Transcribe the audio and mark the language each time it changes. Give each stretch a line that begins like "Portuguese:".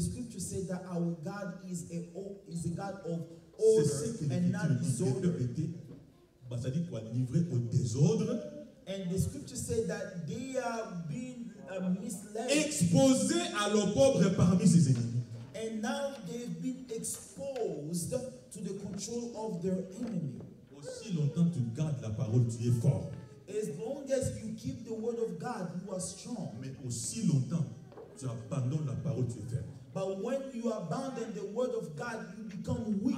English: scripture said that our God is a God of order and not disorder.
French: C'est-à-dire qu'il est livré au désordre.
English: And the scripture said that they are being misled.
French: Exposé à l'opprobre parmi ses ennemis.
English: And now they've been exposed to the control of their enemy.
French: Aussi longtemps tu gardes la parole, tu es fort.
English: As long as you keep the word of God, you are strong.
French: Mais aussi longtemps tu abandonnes la parole, tu es faible.
English: But when you abandon the word of God, you become weak.